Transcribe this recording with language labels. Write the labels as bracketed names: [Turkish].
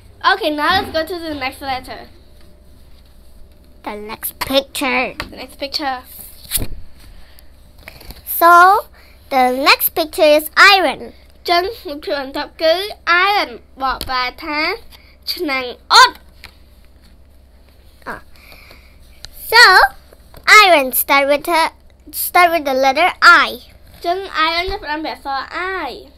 [English] Okay, now let's go to the next letter. The next picture. The next picture. So, the next picture is iron. [Khmer] ចឹងមុខបន្ទាប់គឺ iron បកប្រែថាឆ្នាំងអ៊ុត [English] So, iron start with the letter I. [Khmer] ចឹង iron ប្រើអក្សរ I.